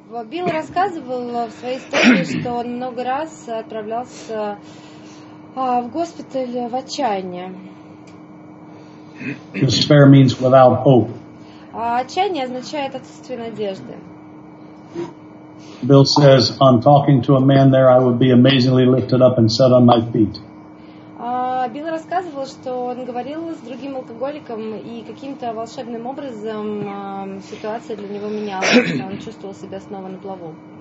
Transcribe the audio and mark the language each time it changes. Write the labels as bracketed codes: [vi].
[ru] Билл рассказывал в своей истории, что он много раз отправлялся в госпиталь в отчаянии. [en] Despair means without hope. [ru] Отчаяние означает отсутствие надежды. [en] Bill says, on talking to a man there, I would be amazingly lifted up and set on my feet. [ru] Билл рассказывал, что он говорил с другим алкоголиком, и каким-то волшебным образом ситуация для него менялась, он чувствовал себя снова на плаву.